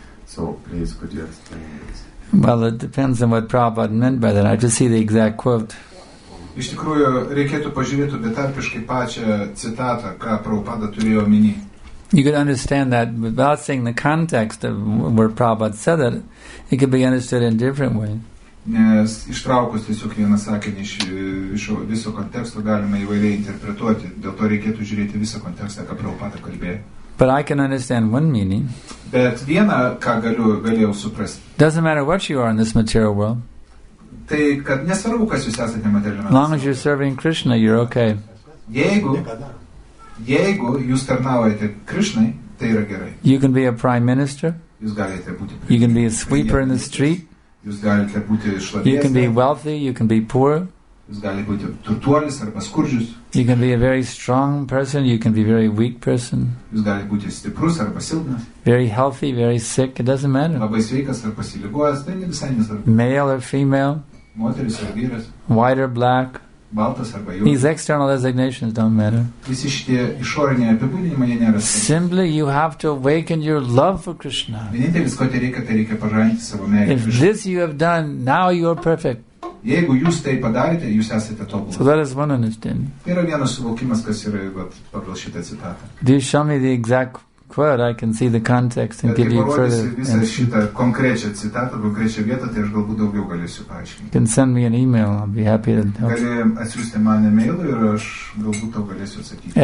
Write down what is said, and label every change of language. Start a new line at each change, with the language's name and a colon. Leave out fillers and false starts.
English: So please, could you explain this? Well, it depends on what Prabhupada meant by that. I just see the exact quote.
Lithuanian: Iš tikrųjų, reikėtų pažiūrėti betarpiškai pačią citatą, ką Prabhupada turėjo omeny.
English: You could understand that without seeing the context of where Prabhupada said it, it could be understood in a different way.
Lithuanian: Nes ištraukus tiesiog vieną sakinį iš viso konteksto galima įvairiai interpretuoti. Dėl to reikėtų žiūrėti visą kontekstą, ką Prabhupada kalbėjo.
English: But I can understand one meaning.
Lithuanian: Bet vieną, ką galėjau suprasti.
English: Doesn't matter what you are in this material world.
Lithuanian: Tai, kad nesvarbu, kas jūs esate materialiame.
English: Long as you're serving Krishna, you're okay.
Lithuanian: Jeigu jūs tarnaujate Krishnai, tai yra gerai.
English: You can be a prime minister.
Lithuanian: Jūs galite būti.
English: You can be a sweeper in the street.
Lithuanian: Jūs galite būti šlavėjas.
English: You can be wealthy, you can be poor.
Lithuanian: Jūs galite būti turtuolis arba skurdžius.
English: You can be a very strong person, you can be a very weak person.
Lithuanian: Jūs galite būti stiprus arba silpnas.
English: Very healthy, very sick, it doesn't matter.
Lithuanian: Labai sveikas arba pasiligojęs, tai visai nesvarbu.
English: Male or female.
Lithuanian: Moteris ar vyras.
English: White or black.
Lithuanian: Baltas arba juodas.
English: These external designations don't matter.
Lithuanian: Visi šitie išoriniai apibūdinimai jie nėra svarbūs.
English: Simply you have to awaken your love for Krishna.
Lithuanian: Vienintelis, ko tai reikia pažadinti savo meilę.
English: If this you have done, now you are perfect.
Lithuanian: Jeigu jūs tai padarėte, jūs esate tobulas.
English: So that is one understanding.
Lithuanian: Yra vienas suvokimas, kas yra pagal šitą citatą.
English: Do you show me the exact quote? I can see the context and give you further.
Lithuanian: Jeigu parodysi visą šitą konkrečią citatą, konkrečią vietą, tai aš galbūt daugiau galėsiu paaiškinti.
English: You can send me an email. I'll be happy to help.
Lithuanian: Gali atsiųsti man e-mail ir aš galbūt tau galėsiu atsakyti.